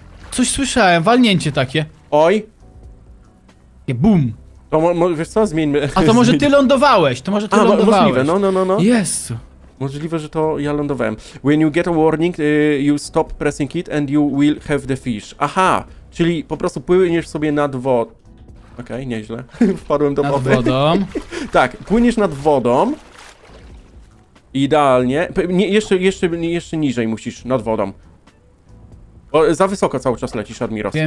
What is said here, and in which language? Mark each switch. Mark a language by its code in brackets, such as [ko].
[pl] Coś słyszałem, walnięcie takie. Oj. I boom. To wiesz co, zmieńmy. A to może ty lądowałeś, Możliwe, no. Jezu. Możliwe, że to ja lądowałem. [en] When you get a warning, you stop pressing it and you will have the fish. [pl] Aha, czyli po prostu płyniesz sobie nad wodą. Okej, nieźle. Wpadłem do nad wody. Nad wodą. Tak, płyniesz nad wodą. Idealnie. Nie, jeszcze niżej musisz, nad wodą. O, za wysoko cały czas lecisz, Admiros.